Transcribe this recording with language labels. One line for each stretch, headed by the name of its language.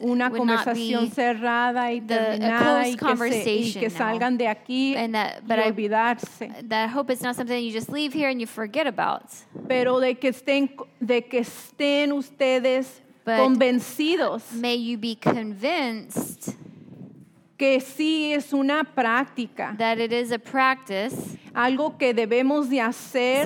Spanish: una conversación cerrada y terminada y que salgan de aquí y olvidarse.
English: That I hope it's not something that you just leave here and you forget about.
Spanish: Pero de que estén ustedes
English: but
Spanish: convencidos.
English: May you be convinced
Spanish: que sí es una práctica.
English: That it is a practice.
Spanish: Algo que debemos de hacer.